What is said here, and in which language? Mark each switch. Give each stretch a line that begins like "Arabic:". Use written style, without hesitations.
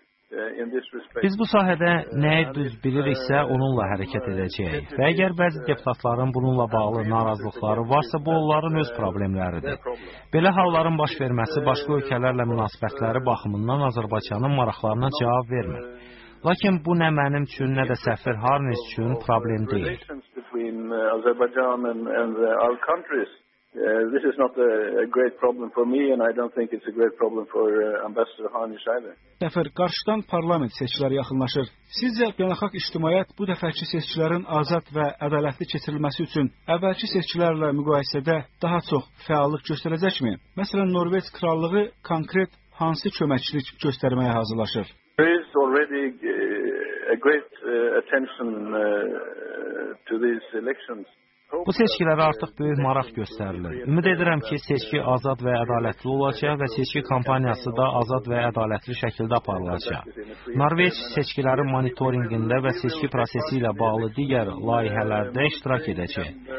Azerbaijani: Biz bu sahədə nəyi düz biliriksə onunla hərəkət edəcəyik və əgər bəzi deputatların bununla bağlı narazılıqları varsa, bu onların öz problemləridir. Belə halların baş verməsi başqa ölkələrlə münasibətləri baxımından Azərbaycanın maraqlarına cavab vermir. Lakin bu nə mənim üçün, nə də səfir Harnes üçün problem deyil.
English: This is not a great problem for me and I don't think it's a great problem for Ambassador Harnish either.
Azerbaijani: Səfər, qarşıdan parlament seçkiləri yaxınlaşır. Sizcə beynəlxalq ictimaiyyət bu dəfəki seçkilərin azad və ədalətli keçirilməsi üçün əvvəlki seçkilərlə müqayisədə daha çox fəallıq göstərəcəkmi? Məsələn, Norveç krallığı konkret hansı köməkçilik göstərməyə hazırlaşır?
English: There is already a great attention to these elections.
Azerbaijani: Bu seçkilərə artıq böyük maraq göstərilir. Ümid edirəm ki, seçki azad və ədalətli olacaq və seçki kampaniyası da azad və ədalətli şəkildə aparılacaq. Norveç seçkilərin monitoringində və seçki prosesi ilə bağlı digər layihələrdə iştirak edəcək.